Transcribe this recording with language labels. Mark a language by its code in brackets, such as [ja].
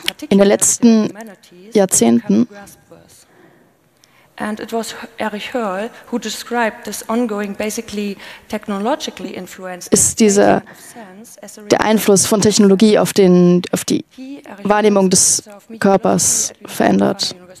[de] In den letzten Jahrzehnten. [en] And it was Erich Hörl who described this ongoing basically technologically influenced [de] ist dieser der Einfluss von Technologie auf den auf die Wahrnehmung des Körpers verändert.